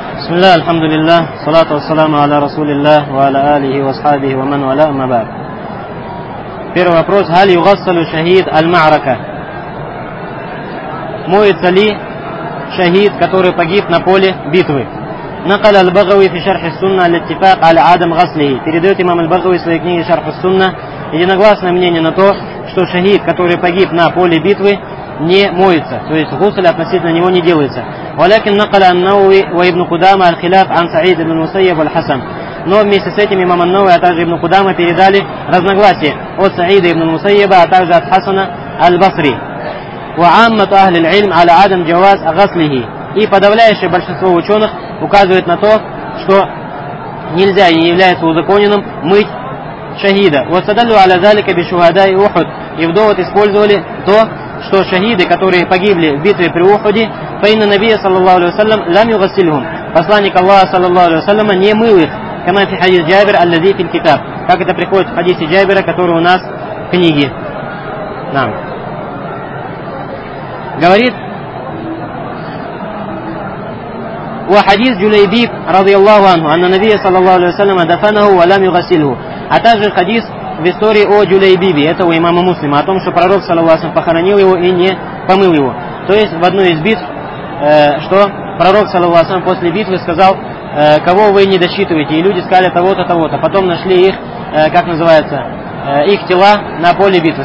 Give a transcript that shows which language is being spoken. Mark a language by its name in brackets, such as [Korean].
[Arabic] بسم الله الحمد لله صلاة والسلام على رسول الله وعلى آله وصحبه ومن ولا أما بعد. [Russian] Первый вопрос: [Arabic] هل يغسل شهيد المعركة؟ [Russian] Моется ли [Arabic] شهيد, [Russian] который погиб на поле битвы؟ [Arabic] نقل البغوي في شرح السنة الاتفاق على عدم غسله. [Russian] Передает имам البغوي в своей книге شرح السنة единогласное мнение на то, что шахид, который погиб на поле битвы, не моется, то есть гусль относительно него не делается. [Arabic] ولكن نقل النووي وابن قدامة الخلاف عن سعيد بن المسيب والحسن. [Russian] Но вместе с этим имам ан-Науи, а также ибн Кудама передали разногласия от Саида ибн Мусайяба, а также от Хасана аль-Басри. [Arabic] وعامه اهل العلم على عدم جواز غسله. [Russian] И подавляющее большинство ученых указывает на то, что нельзя и не является узаконенным мыть шахида. [Arabic] واستدلوا على ذلك بشهداء احد. [Russian] И в довод использовали то, что шахиды, которые погибли в битве при Ухуде, [Arabic] فإن النبي صلى الله عليه وسلم لم يغسلهم. [Russian] Посланник Аллаха صلى الله عليه وسلم не мыл их. [Arabic] كما في حديث جابر الذي في الكتاب. [Russian] Как это приходит в хадисе Джабира, который у нас в книге. Нам. Говорит: [Arabic] وحديث جليبيب رضي الله عنه أن النبي صلى الله عليه وسلم دفنه ولم يغسله. [Russian] А также хадис в истории о Джулейбибе, это у имама Муслима, о том, что пророк саллаллаху похоронил его и не помыл его. То есть в одной из битв, что пророк саллаллаху после битвы сказал, кого вы не досчитываете, и люди сказали того-то, того-то. Потом нашли их, как называется, их тела на поле битвы.